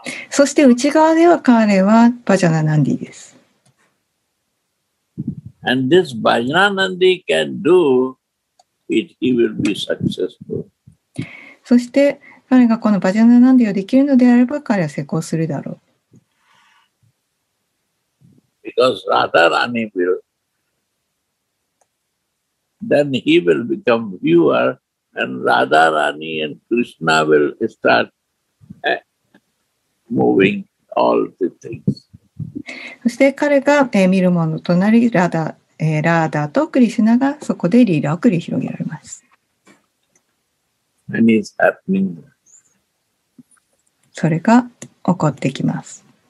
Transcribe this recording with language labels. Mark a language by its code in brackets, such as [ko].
[ja] そして内側では彼はバジャナナンディです。 [en] And this Vajranandi can do it, he will be successful. [ja] そして彼がこのバジャナナンディをできるのであれば彼は成功するだろう。 [en] Because Radharani will, then he will become viewer, and Radharani and Krishna will start moving all the things. [ja] そして彼が見るもの隣、ラーダとクリシュナがそこでリーラを繰り広げられます。 [en] And it's happening. [ja] それが起こってきます。